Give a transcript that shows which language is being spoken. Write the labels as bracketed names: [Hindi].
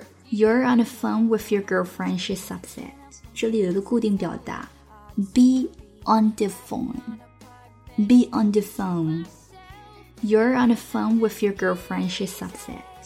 [English] You're on the phone with your girlfriend, she's upset. [Chinese] 这里有一个固定表达 Be on the phone. [English] You're on the phone with your girlfriend, she's upset.